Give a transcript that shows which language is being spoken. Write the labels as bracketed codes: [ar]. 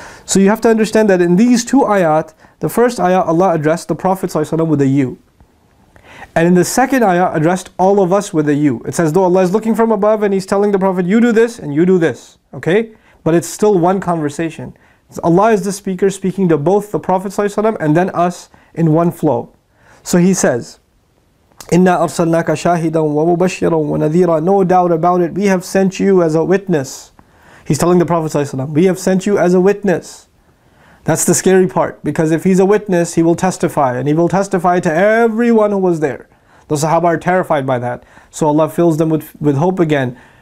[en] So you have to understand that in these two ayat, the first ayah, Allah addressed the Prophet with a you. And in the second ayah, addressed all of us with a you. It's as though Allah is looking from above and He's telling the Prophet, you do this and you do this. Okay, but it's still one conversation. Allah is the speaker speaking to both the Prophet ﷺ and then us in one flow. So he says, [ar] إِنَّا أَرْسَلْنَاكَ شَاهِدًا وَمُبَشِّرًا وَنَذِيرًا. [en] No doubt about it, we have sent you as a witness. He's telling the Prophet ﷺ, we have sent you as a witness. That's the scary part, because if he's a witness, he will testify, and he will testify to everyone who was there. The Sahaba are terrified by that. So Allah fills them with hope again.